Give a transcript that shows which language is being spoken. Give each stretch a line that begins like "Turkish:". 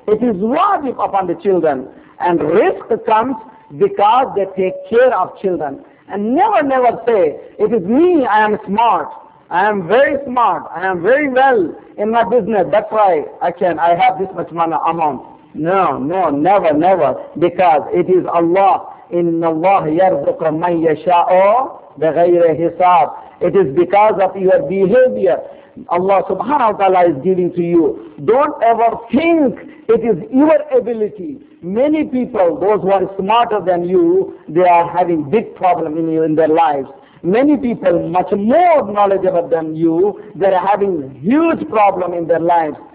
English: It is wajib upon the children. And risk comes because they take care of children. And never, never say, it is me, I am smart. I am very smart. I am very well in my business. That's why I have this much money amount. No, no, never, never. Because it is Allah.
Arabic: إِنَّ اللَّهَ يَرْزُقَ مَنْ يَشَاءُ بِغَيْرِ حِسَابٍ
English: It is because of your behavior. Allah subhanahu wa ta'ala is giving to you. Don't ever think it is your ability. Many people, those who are smarter than you, they are having big problem in their lives. Many people much more knowledgeable than you, they are having huge problem in their lives.